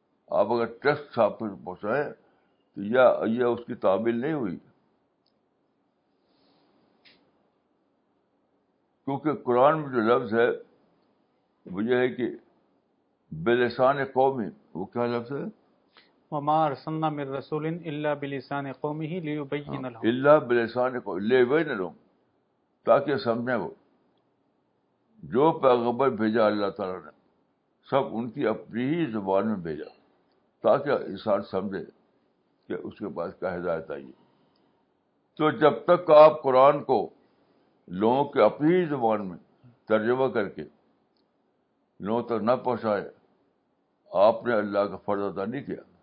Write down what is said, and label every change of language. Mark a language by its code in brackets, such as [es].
[ur] آپ اگر ٹیکسٹ چھاپ کر پہنچائیں تو یہ اس کی تعمیل نہیں ہوئی, کیونکہ قرآن میں جو لفظ ہے وہ یہ ہے کہ بلسان قومی, وہ کیا لفظ ہے؟ [ar] وما ارسلنا من رسول الا بلسان قومه ليبين لهم, الا بلسان قومه ليبين لهم, [ur] تاکہ سمجھیں. وہ جو پیغمبر بھیجا اللہ تعالی نے سب ان کی اپنی ہی زبان میں بھیجا تاکہ انسان سمجھے کہ اس کے پاس کیا ہدایت آئی. تو جب تک آپ قرآن کو لوگوں کے اپنی ہی زبان میں ترجمہ کر کے لوگوں تک نہ پہنچائے, آپ نے اللہ کا فرض ادا نہیں کیا.